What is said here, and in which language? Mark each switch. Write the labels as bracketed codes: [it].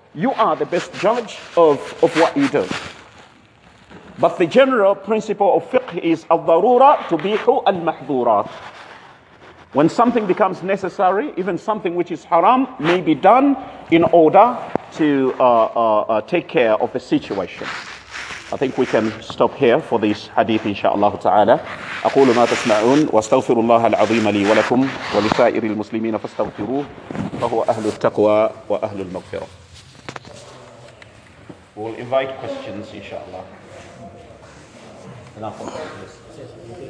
[en] You are the best judge of what you do. But the general principle of fiqh is [ar] al-darura tubihu al-mahdurat. [en] When something becomes necessary, even something which is haram, may be done in order to take care of the situation. I think we can stop here for this hadith, inshaAllah ta'ala. [ar] أقول ما تسمعون واستغفر الله العظيم لي ولكم ولسائر المسلمين فاستغفروه فهو أهل التقوى وأهل المغفرة. [en] We will invite questions, inshallah. Enough of this.